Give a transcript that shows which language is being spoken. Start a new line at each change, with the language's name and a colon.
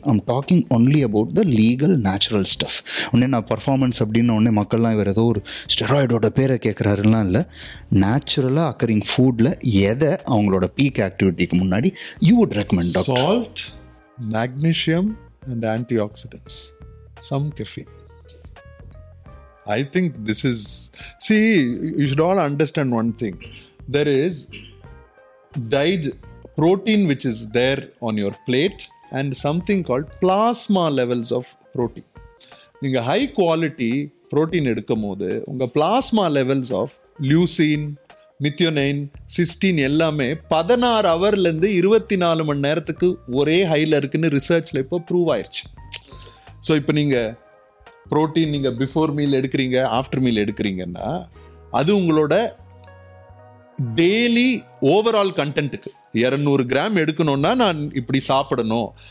English: I am talking only about the legal natural stuff.
Tamil: உடனே நான் performance அப்படின்னு உடனே மக்கள்லாம் இவர் ஏதோ ஒரு ஸ்டெராய்டோட பேரை கேட்குறாருலாம் இல்லை. நேச்சுரலாக அக்கரிங் ஃபுட்டில் எதை அவங்களோட பீக் ஆக்டிவிட்டிக்கு முன்னாடி
English: You would recommend? Salt, magnesium and antioxidants, some caffeine. I think this is, see, you should all understand one thing. There is dyed protein which is there on your plate and something called plasma levels of protein.
Tamil: நீங்கள் high quality protein எடுக்கும் போது உங்கள் plasma levels of leucine, methionine, சிஸ்டின் எல்லாமே 16 hours 24 மணி நேரத்துக்கு ஒரே ஹையில் இருக்குன்னு ரிசர்ச்சில் இப்போ ப்ரூவ் ஆயிடுச்சு. ஸோ இப்போ நீங்கள் ப்ரோட்டீன் நீங்கள் பிஃபோர் மீல் எடுக்கிறீங்க, ஆஃப்டர் மீல் எடுக்கிறீங்கன்னா அது உங்களோட டெய்லி ஓவரால் கண்டென்ட்டுக்கு 200 grams எடுக்கணுன்னா நான் இப்படி சாப்பிடணும்.